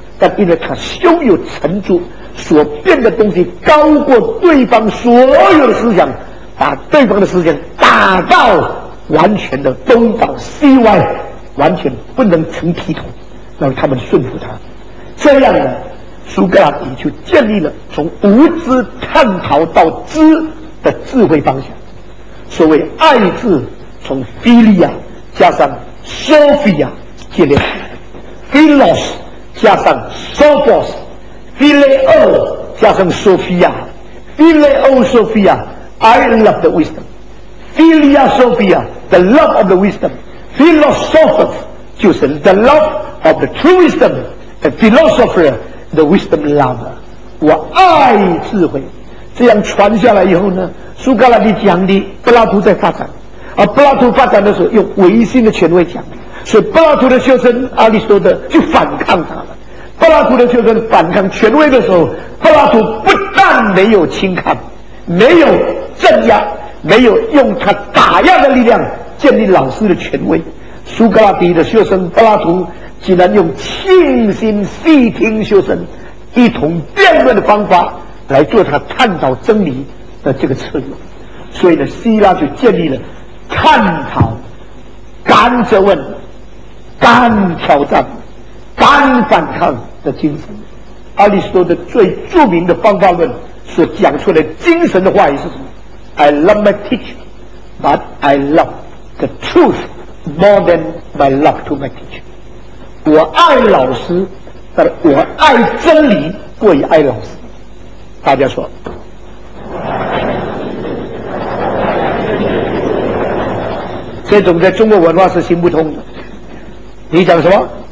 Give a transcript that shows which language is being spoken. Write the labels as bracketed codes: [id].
[zh] 但因为他胸有成竹，所变的东西高过对方所有的思想，把对方的思想打到完全的东倒西歪，完全不能成体统，让他们顺服他。这样呢，苏格拉底就建立了从无知探讨到知的智慧方向。所谓爱智，从 [en] Philia 加上 Sophia 建立 Philos加上 Sophos， Phileo 加上 Sophia， Phileo Sophia， I love the wisdom， Philia Sophia， the love of the wisdom， Philosopher 就是 the love of the true wisdom， the philosopher， the wisdom lover， [zh] 我爱智慧。这样传下来以后呢，苏格拉底讲的，柏拉图在发展，而柏拉图发展的时候用唯心的权威讲，所以柏拉图的学生阿里斯多德就反抗他了。柏拉图的学生反抗权威的时候，柏拉图不但没有轻看，没有镇压，没有用他打压的力量建立老师的权威。苏格拉底的学生柏拉图竟然用倾心细听学生一同辩论的方法来做他探讨真理的这个策略。所以呢，希腊就建立了探讨，敢责问，敢挑战，敢反抗的精神。阿里斯多的最著名的方法论所讲出来精神的话语是什么？ [en] I love my teacher, but I love the truth more than my love to my teacher. [zh] 我爱老师，但我爱真理过于爱老师。大家说，这种在中国文化是行不通的。你讲什么？